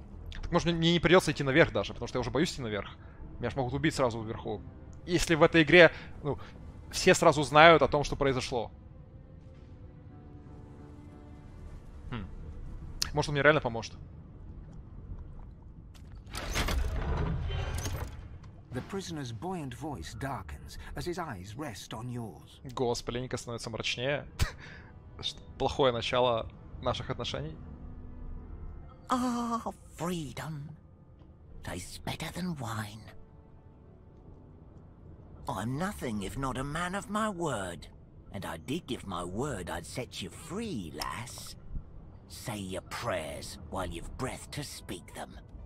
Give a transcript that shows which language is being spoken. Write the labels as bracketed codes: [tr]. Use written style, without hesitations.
[ru] Так, может, мне не придется идти наверх даже, потому что я уже боюсь идти наверх. Меня ж могут убить сразу вверху. Если в этой игре, ну, все сразу знают о том, что произошло. Может, он мне реально поможет. [en] The prisoner's buoyant voice darkens as his eyes rest on yours. [ru] Господи, Леника становится мрачнее. Плохое начало наших отношений. [en] Ah, freedom tastes better than wine. I'm nothing if not a man of my word, and I did give my word I'd set you free, lass. Say your prayers while you've breath to speak them.